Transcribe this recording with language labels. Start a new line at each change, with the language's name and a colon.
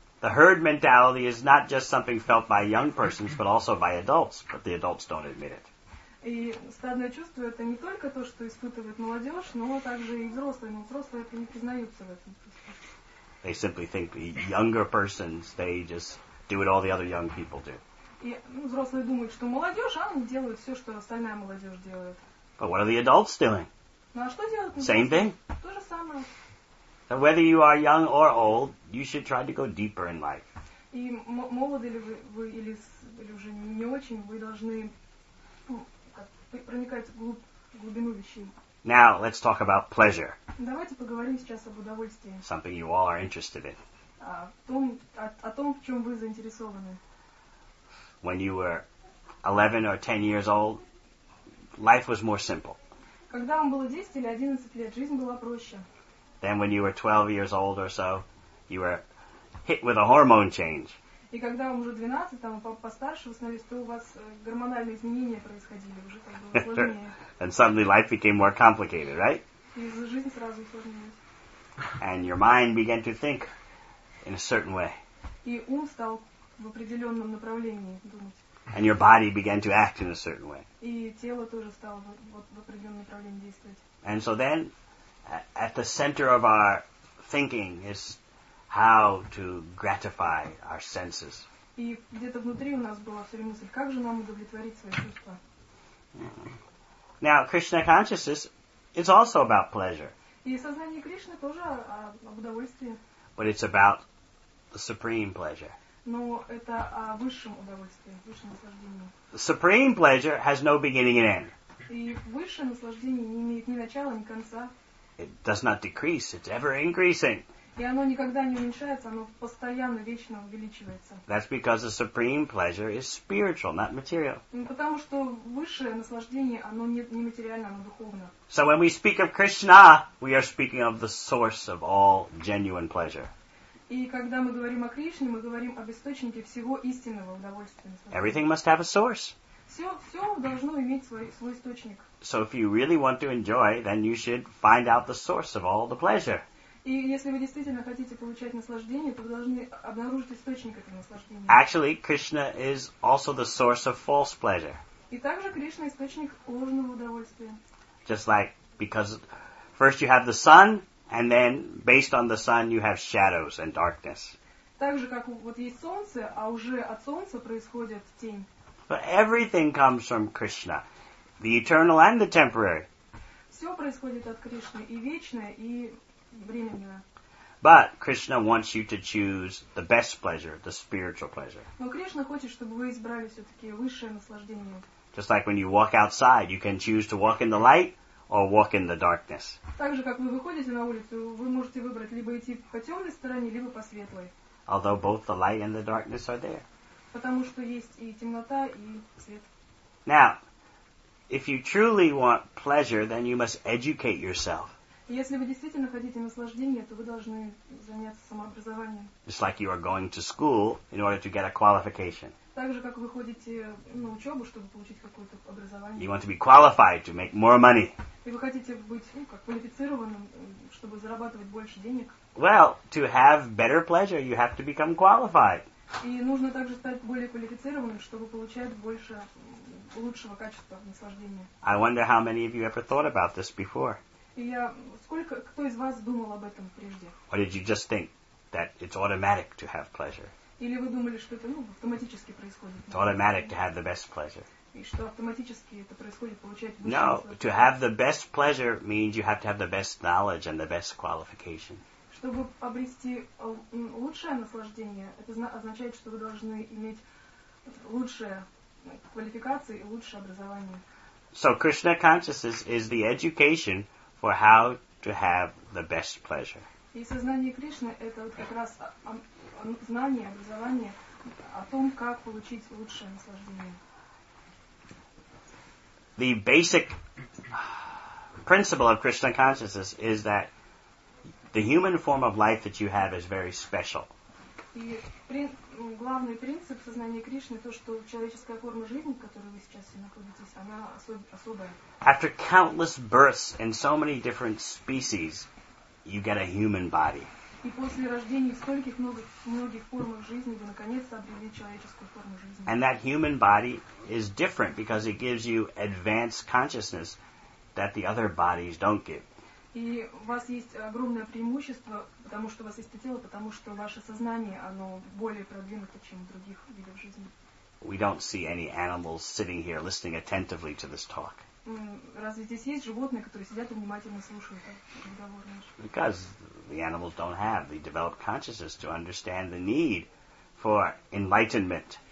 English: The herd mentality is not just something felt by young persons, but also by adults, but the adults don't admit it.
Russian: И стадное чувство это не только то, что испытывает молодежь, но также и взрослые. Но взрослые это не признаются в этом.
English: They simply think the younger persons, they just do what all the other young people do.
Russian: И взрослые думают, что молодежь, они делают все, что остальная молодежь делает.
English: But what are the adults doing?
Russian: Ну а что делают?
English: Same thing.
Russian: То же самое.
English: So whether you are young or old, you should try to go deeper in life.
Russian: И молоды ли вы или уже не очень, вы должны проникать глубину вещей.
English: Now, let's talk about pleasure.
Russian: Давайте поговорим сейчас об удовольствии.
English: Something you all are interested in.
Russian: о том, в чем вы заинтересованы.
English: When you were 11 or 10 years old, life was more simple.
Russian: Когда вам было 10 или 11 лет, жизнь была проще.
English: Then when you were 12 years old or so, you were hit with a hormone change.
Russian: И когда вам уже 12, там, постарше становились, то у вас гормональные изменения происходили, уже было сложнее.
English: And suddenly life became more complicated, right?
Russian: И жизнь сразу усложнилась.
English: And your mind began to think in a certain way.
Russian: И ум стал в определенном направлении думать.
English: And your body began to act in a certain way.
Russian: И тело тоже стало в определенном направлении действовать.
English: And so then, at the center of our thinking is how to gratify our senses.
Russian: И где-то внутри у нас была все время мысль, как же нам удовлетворить свои чувства.
English: Now, Krishna consciousness is also about pleasure.
Russian: И сознание Кришны тоже об удовольствии.
English: But it's about the supreme pleasure.
Russian: Но это о высшем удовольствии, высшем наслаждении.
English: Supreme pleasure has no beginning and end.
Russian: И высшее наслаждение не имеет ни начала, ни конца.
English: It does not decrease, it's ever increasing.
Russian: И оно никогда не уменьшается, оно постоянно, вечно увеличивается.
English: That's because the supreme pleasure is spiritual, not material.
Russian: Потому что высшее наслаждение, оно не материальное, оно духовное.
English: So when we speak of Krishna, we are speaking of the source of all genuine pleasure.
Russian: И когда мы говорим о Кришне, мы говорим об источнике всего истинного удовольствия.
English: Everything must have a source.
Russian: Все должно иметь свой источник.
English: So if you really want to enjoy, then you should find out the source of all the pleasure.
Russian: И если вы действительно хотите получать наслаждение, то вы должны обнаружить источник этого наслаждения.
English: Actually, Krishna is also the source of false pleasure.
Russian: И также Кришна источник ложного удовольствия.
English: Just like, because first you have the sun, and then based on the sun you have shadows and darkness.
Russian: Так же, как вот есть солнце, а уже от солнца происходит тень.
English: But everything comes from Krishna, the eternal and the temporary.
Russian: Все происходит от Кришны, и вечное, и...
English: But Krishna wants you to choose the best pleasure, the spiritual pleasure.
Russian: Но Кришна хочет, чтобы вы избрали все-таки высшее наслаждение.
English: Just like when you walk outside, you can choose to walk in the light or walk in the darkness.
Russian: Так же, как вы выходите на улицу, вы можете выбрать либо идти по темной стороне, либо по светлой.
English: Although both the light and the darkness are there.
Russian: Потому что есть и темнота, и свет.
English: Now, if you truly want pleasure, then you must educate yourself.
Russian: Если вы действительно хотите наслаждения, то вы должны заняться самообразованием.
English: It's like you are going to school in order to get a qualification.
Russian: Так же, как вы ходите на учебу, чтобы получить какое-то образование.
English: You want to be qualified to make more money.
Russian: И вы хотите быть, ну, как квалифицированным, чтобы зарабатывать больше денег.
English: Well, to have better pleasure, you have to become qualified.
Russian: И нужно также стать более квалифицированным, чтобы получать больше лучшего качества наслаждения.
English: I wonder how many of you ever thought about this before.
Russian: Кто из вас думал об этом прежде?
English: Or did you just think that it's automatic to have pleasure?
Russian: Или вы думали, что это, ну, автоматически происходит?
English: It's automatic to have the best pleasure.
Russian: И что автоматически это происходит, получать высшее наслаждение?
English: No, to have the best pleasure means you have to have the best knowledge and the best qualification.
Russian: Чтобы обрести лучшее наслаждение, это означает, что вы должны иметь лучшие квалификации и лучшее образование.
English: So Krishna consciousness is the education for how to have the best pleasure.
Russian: И сознание Кришны — это вот как раз знание, образование о том, как получить лучшее наслаждение.
English: The basic principle of Krishna consciousness is that the human form of life that you have is very special.
Russian: И главный принцип сознания Кришны — то, что человеческая форма жизни, в которой вы сейчас находитесь, она особая.
English: After countless births in so many different species, you get a human body.
Russian: И после рождения в стольких многих формах жизни вы наконец-то обрели человеческую форму жизни.
English: And that human body is different because it gives you advanced consciousness that the other bodies don't give.
Russian: И у вас есть огромное преимущество, потому что у вас есть тело, потому что ваше сознание, оно более продвинуто, чем у других видов жизни.
English: We don't see any animals sitting here listening attentively to this talk.
Russian: Разве здесь есть животные, которые сидят и внимательно слушают разговор наш?
English: Because the animals don't have the developed consciousness to understand the need for enlightenment.